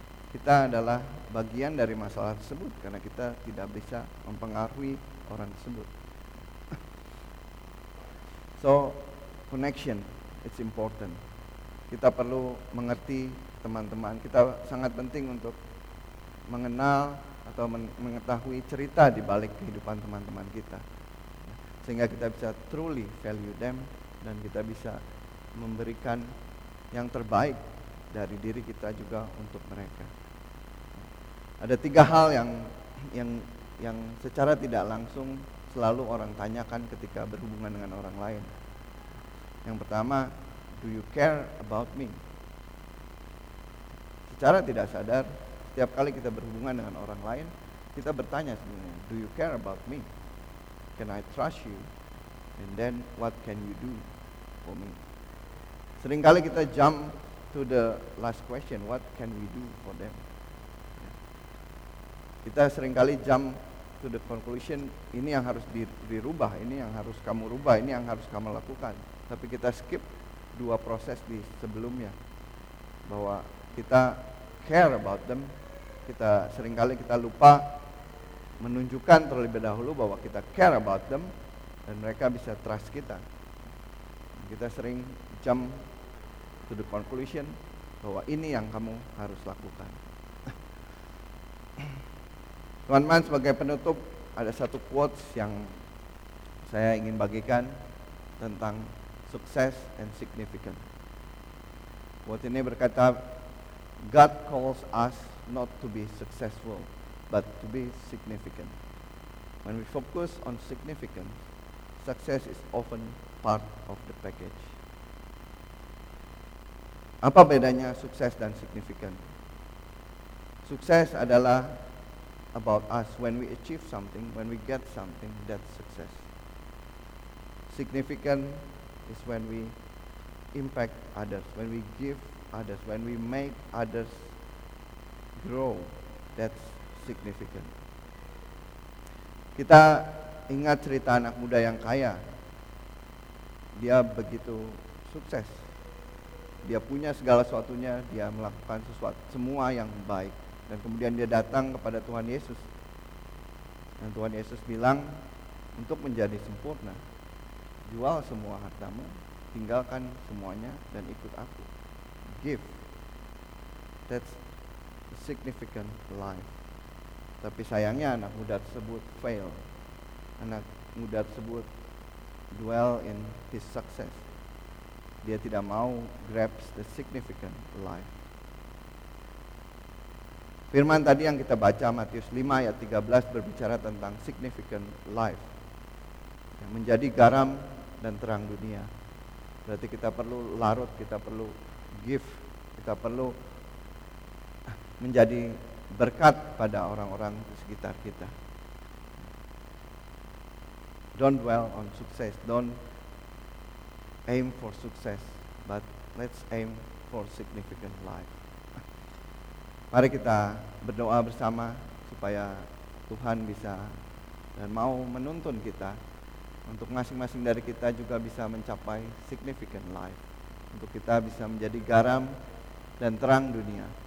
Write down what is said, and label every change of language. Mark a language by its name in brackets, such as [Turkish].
[Indonesian] Kita adalah bagian dari masalah tersebut karena kita tidak bisa mempengaruhi orang tersebut. [English] So, connection, it's important. [Indonesian] Kita perlu mengerti teman-teman, kita sangat penting untuk mengenal atau mengetahui cerita di balik kehidupan teman-teman kita. Sehingga kita bisa [English] truly value them [Indonesian] dan kita bisa memberikan yang terbaik dari diri kita juga untuk mereka. Ada tiga hal yang secara tidak langsung selalu orang tanyakan ketika berhubungan dengan orang lain. Yang pertama, [English] do you care about me? [Indonesian] Secara tidak sadar, setiap kali kita berhubungan dengan orang lain, kita bertanya sebenarnya, [English] do you care about me? Can I trust you? And then what can you do for me? [Indonesian] Seringkali kita [English] jump to the last question, what can we do for them? [Indonesian] Kita seringkali [English] jump to the conclusion, [Indonesian] ini yang harus dirubah, ini yang harus kamu rubah, ini yang harus kamu lakukan. Tapi kita skip dua proses di sebelumnya, bahwa kita [English] care about them, [Indonesian] kita seringkali kita lupa menunjukkan terlebih dahulu bahwa kita care about them, dan mereka bisa trust kita. Kita sering jump [English] to the conclusion [Indonesian] bahwa ini yang kamu harus lakukan. Teman-teman, sebagai penutup, ada satu quotes yang saya ingin bagikan tentang [English] success and significance. [Indonesian] Quote ini berkata, [English] God calls us not to be successful, but to be significant. When we focus on significance, success is often part of the package. [Indonesian] Apa bedanya sukses dan significant? Sukses adalah [English] about us. When we achieve something, when we get something, that's success. Significant is when we impact others, when we give others, when we make others grow, that's significant. [Indonesian] Kita ingat cerita anak muda yang kaya. Dia begitu sukses. Dia punya segala sesuatunya, dia melakukan sesuatu, semua yang baik. Dan kemudian dia datang kepada Tuhan Yesus. Dan Tuhan Yesus bilang, untuk menjadi sempurna, jual semua hartamu, tinggalkan semuanya dan ikut aku. [English] Give. That's a significant life. [Indonesian] Tapi sayangnya anak muda tersebut fail. Anak muda tersebut [English] dwell in his success. [Indonesian] Dia tidak mau [English] grab the significant life. [Indonesian] Firman tadi yang kita baca, Matius 5 ayat 13, berbicara tentang significant life. Yang menjadi garam dan terang dunia. Berarti kita perlu larut, kita perlu give, kita perlu menjadi berkat pada orang-orang di sekitar kita. [English] Don't dwell on success, don't aim for success, but let's aim for significant life. [Indonesian] Mari kita berdoa bersama supaya Tuhan bisa dan mau menuntun kita untuk masing-masing dari kita juga bisa mencapai significant life. Untuk kita bisa menjadi garam dan terang dunia.